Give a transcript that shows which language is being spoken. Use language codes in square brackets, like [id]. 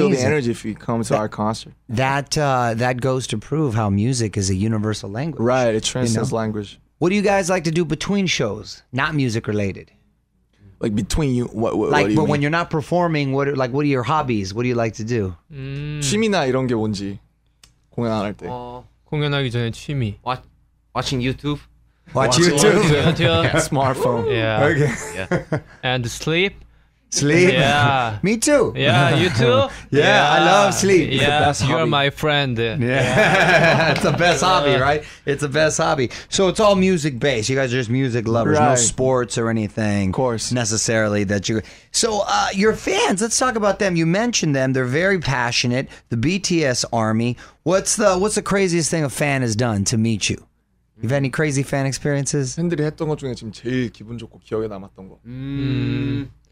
[en] Feel the energy if you come to our concert. That goes to prove how music is a universal language. Right, it transcends language. What do you guys like to do between shows, not music related? Like between you, what like, do you but mean? When you're not performing, what are your hobbies? What do you like to do? [ko] 취미나 이런 게 뭔지 공연 할 때. 공연하기 전에 취미. [en] Watching YouTube. Watch YouTube. Smartphone. Yeah. Okay. Yeah. And sleep. Sleep. Yeah. Me too. Yeah, you too. Yeah, yeah. I love sleep. Yeah, it's the best you're hobby. My friend. Yeah, it's the best hobby, right? It's the best hobby. So it's all music based. You guys are just music lovers, right? No sports or anything, of course, necessarily. That you. So your fans. Let's talk about them. You mentioned them. They're very passionate. The BTS army. What's the craziest thing a fan has done to meet you? You have any crazy fan experiences? [ko] 팬들이 했던 것 중에 지금 제일 기분 좋고 기억에 남았던 거.